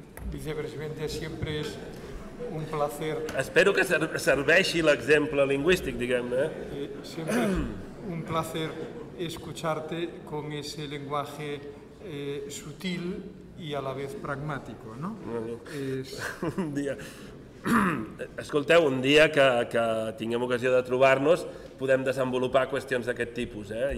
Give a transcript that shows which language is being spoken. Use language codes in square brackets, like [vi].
[es] Vicepresidente, siempre es Un placer. [ca] Espero que serveixi l'exemple lingüístic, diguem-ne. [es] Siempre es un placer escucharte con ese lenguaje sutil y a la vez pragmático, ¿no? [ca] Un dia... Escolteu, un dia que tinguem ocasió de trobar-nos, podem desenvolupar qüestions d'aquest tipus, eh?